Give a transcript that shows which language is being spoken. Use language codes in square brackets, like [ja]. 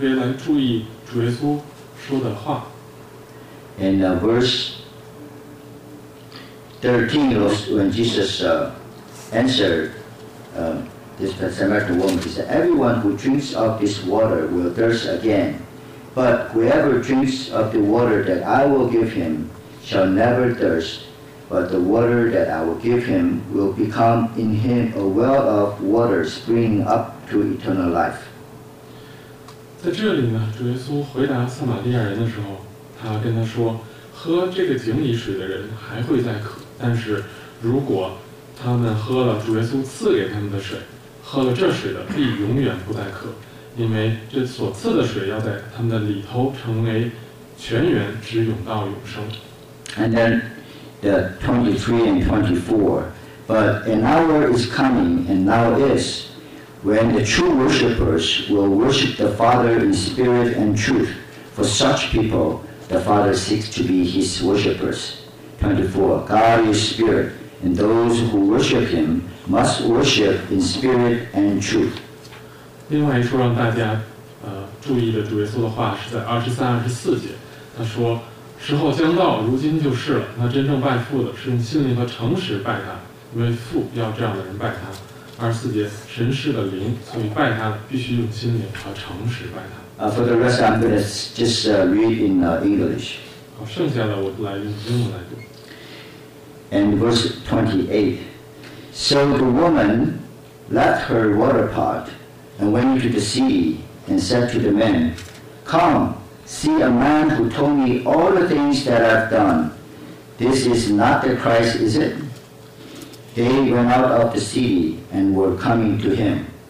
[zh] 这里我希望大家特别来注意主耶稣说的话。 [en] In verse 13, when Jesus answered this Samaritan woman, he said, Everyone who drinks of this water will thirst again, but whoever drinks of the water that I will give him shall never thirst, but the water that I will give him will become in him a well of water springing up to eternal life. [zh] 在这里呢, 主耶稣回答撒玛利亚人的时候, 他跟他说, 喝这个井里水的人还会再渴, 但是如果他们喝了主耶稣赐给他们的水, 喝了这水的必永远不再渴, 因为这所赐的水要在他们的里头成为泉源，只涌到永生。 [en] And then the 23 and 24, But an hour is coming, and now is, when the true worshippers will worship the Father in spirit and truth. For such people, the Father seeks to be his worshippers. 24, God is spirit, and those who worship him must worship in spirit and truth. [zh] 另外一处让大家, 注意的主耶稣的话是在23、24节, 时候将到, 如今就是了, 那真正拜父的, 是用心灵和诚实拜他, 因为父要这样的人拜他。 24节, 神是个灵, 所以拜他的, 必须用心灵和诚实拜他。 [en] For the rest, I'm going to just read in English. [zh] 好, 剩下的我来用英文来读。 [en] And verse 28, So the woman left her water pot and went into the sea and said to the men, Come, See a man who told me all the things that I've done. This is not the Christ, is it? They went out of the city and were coming to him.